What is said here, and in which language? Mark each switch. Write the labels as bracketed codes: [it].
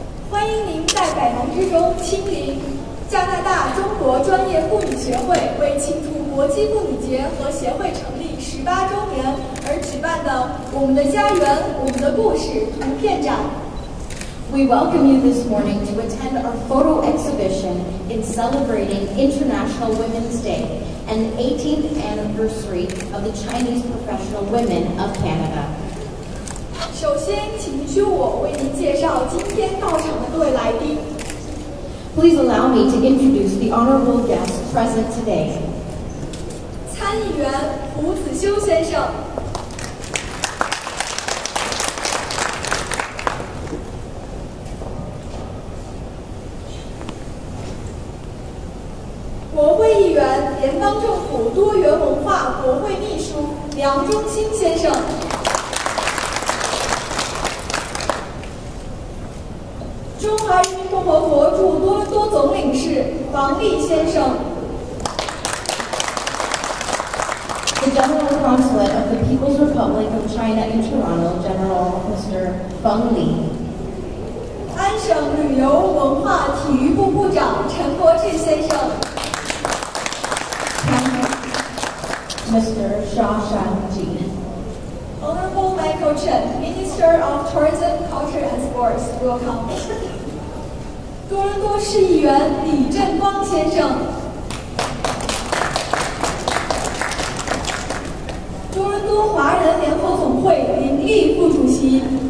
[zh] 欢迎您在百忙之中亲临加拿大中国专业妇女学会为庆祝国际妇女节和协会成立18周年而举办的《我们的家园，我们的故事》图片展。 [en] We welcome you this morning to attend our photo exhibition in celebrating International Women's Day and the 18th anniversary of the Chinese Professional Women of Canada. [zh] 首先，请允许我为您介绍今天到场的各位来宾。 [en] Please allow me to introduce the honorable guests present today. [zh] 参议员胡子修先生。国会议员、联邦政府多元文化国会秘书梁中清先生。中华人民共和国驻多伦多总领事王立先生。 [en] The General Consulate of the People's Republic of China in Toronto, General Mr. Feng Li。 [zh] 安省旅游文化体育部部长陈国志先生。 [en] Mr. Xia Shanji. Honorable Michael Chen, Minister of Tourism, Culture and Sports, welcome. [zh] 多伦多市议员李振光先生。多伦多华人联合总会林立副主席。